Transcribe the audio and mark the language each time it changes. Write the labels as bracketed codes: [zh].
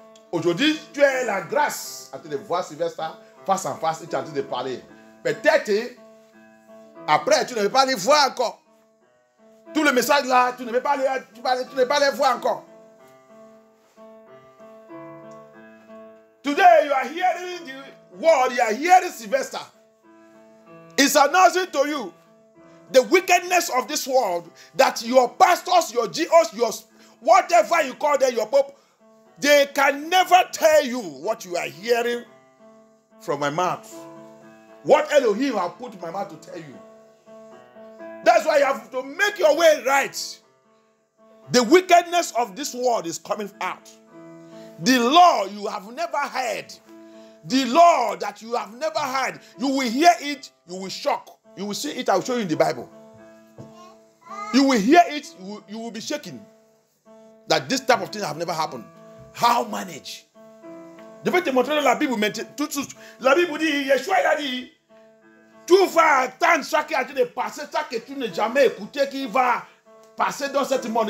[fr] Aujourd'hui, tu as la grâce en train de voir Sylvestre face en face et tu es en train de parler. Peut-être après, tu ne peux pas les voir encore. Tout le message là, tu ne peux pas les voir encore. [en] Today you are hearing the word, you are hearing Sylvester. It's announcing to you the wickedness of this world, that your pastors, your GOs, your whatever you call them, your Pope, they can never tell you what you are hearing from my mouth. What Elohim have put in my mouth to tell you. That's why you have to make your way right. The wickedness of this world is coming out. The law you have never heard. The law that you have never heard. You will hear it. You will shock. You will see it. I will show you in the Bible. You will hear it. You will be shaking. That this type of thing have never happened. How manage? [fr] Je vais te montrer la Bible. La Bible dit, Yeshua a dit, tu vas attendre ça qui a dit de passer, ça que tu n'as jamais écouté, qui va passer dans cette monde.